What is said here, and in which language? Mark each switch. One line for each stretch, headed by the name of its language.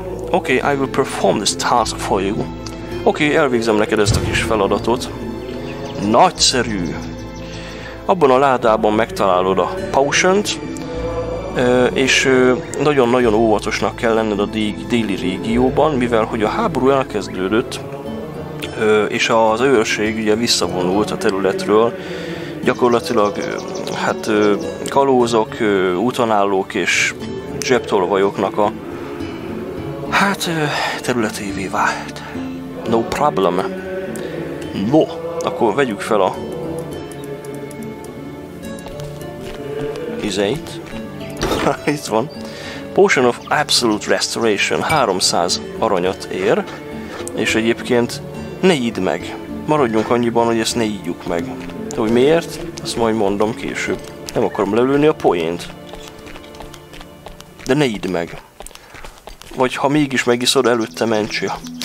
English: Okay, I will perform this task for you.
Hungarian: Okay, elvégzem neked ezt a kis feladatot. Nagyszerű. Abban a ládában megtalálod a potion-t, és nagyon-nagyon óvatosnak kell lenned a déli régióban, mivel hogy a háború elkezdődött, és az őrség ugye visszavonult a területről, gyakorlatilag hát kalózok, utanállók és zsebtolvajoknak a hát területévé vált.
English: No problem.
Hungarian: No, akkor vegyük fel a izeit. Itt van.
English: Potion of Absolute Restoration.
Hungarian: 300 aranyat ér. És egyébként ne idd meg. Maradjunk annyiban, hogy ezt ne ígyjuk meg. De hogy miért? Azt majd mondom később. Nem akarom lelőni a poént. de ne idd meg. Vagy ha mégis megiszod, előtte mentsél.